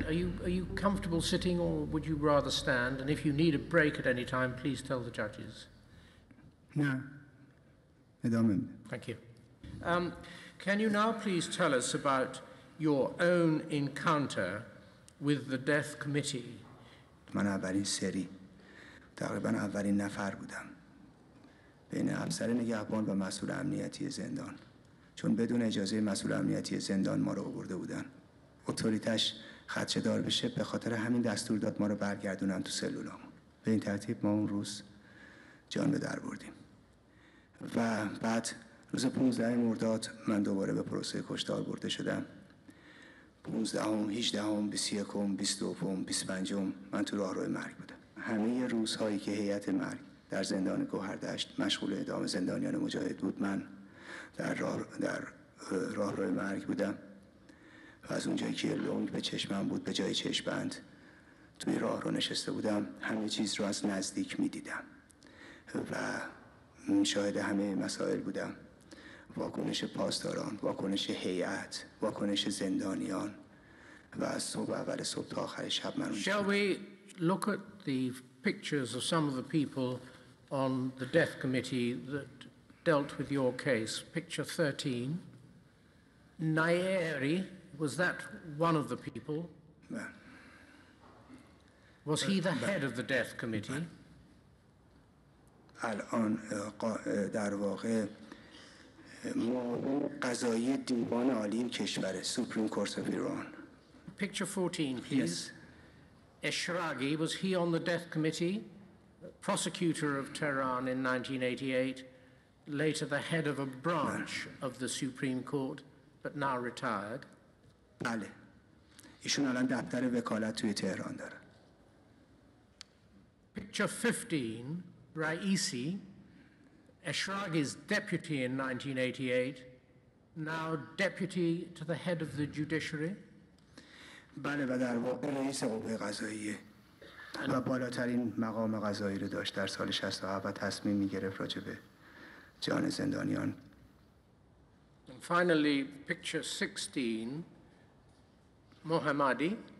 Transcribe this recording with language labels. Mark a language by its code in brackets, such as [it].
[en] Are you comfortable sitting, or would you rather stand? And if you need a break at any time, please tell the judges. No. Edelman. Thank you. Can you now please tell us about your own encounter with the death committee? [fa] من اولین سری تقریباً اولین نفر بودم بین افسر نگهبان و مسئول امنیتی زندان، چون بدون اجازه مسئول امنیتی زندان ما رو آورده بودن. اتوریتش خدشه‌دار بشه، به خاطر همین دستور داد ما رو برگردونن تو سلولامون. به این ترتیب ما اون روز جان به در بردیم. و بعد روز 15 مرداد من دوباره به پروسه کشتار برده شدم. 15، 18، 21، 22، 25 من تو راهروی مرگ بودم. همه روزهایی که هیئت مرگ در زندان گوهردشت مشغول اعدام زندانیان مجاهد بود، من در راه روی مرگ بودم. و از اونجایی که لنگ به چشمم بود، به جای چشمبند توی راه رو نشسته بودم، همه چیز رو از نزدیک می دیدم و شاهد همه مسائل بودم. واکنش پاسداران، واکنش هیئت، واکنش زندانیان. و از صبح اول صبح تا آخر شب من اونجا. [en] Shall we look at the pictures of some of the people on the death committee that dealt with your case? Picture 13. Nayeri, was that one of the people? Was he the head of the death committee? [fa] الان در واقع معاون قضایی دیوان عالی کشور، [en] Supreme Court of Iran. Picture 14, please. Yes. Eshraghi, was he on the death committee? Prosecutor of Tehran in 1988. Later the head of a branch of the Supreme Court, but now retired. [fa] بله. ایشون الان دفتر وکالت توی تهران داره. [en] Picture 15, Raisi, Eshraghi's deputy in 1988, now deputy to the head of the judiciary. [fa] بله و در واقع رئیس قوه قضاییه. و بالاترین مقام قضایی رو داشت در سال 67 و تصمیم میگرفت راجبه. [en] And finally, picture 16, Mohammadi.